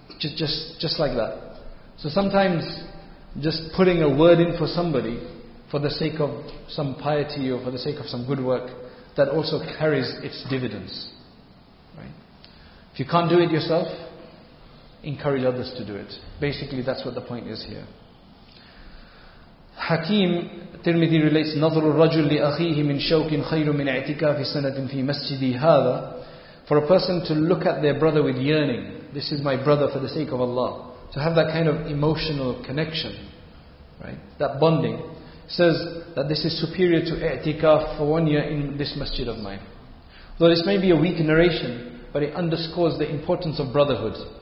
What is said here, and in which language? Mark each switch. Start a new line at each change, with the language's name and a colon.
English: Just like that. So sometimes, just putting a word in for somebody, for the sake of some piety or for the sake of some good work, that also carries its dividends. Right. If you can't do it yourself, encourage others to do it. Basically, that's what the point is here. Hakim Tirmidhi relates,
Arabic: نَظْرُ الرَّجُلِ لِأَخِيهِ مِنْ شَوْكٍ خَيْرٌ مِنْ اَعْتِكَافِ سَنَةٍ فِي مَسْجِدِ هَذَا.
English: For a person to look at their brother with yearning, this is my brother for the sake of Allah, to have that kind of emotional connection, right? That bonding, says that this is superior to i'tikaf for 1 year in this masjid of mine. Though this may be a weak narration, but it underscores the importance of brotherhood.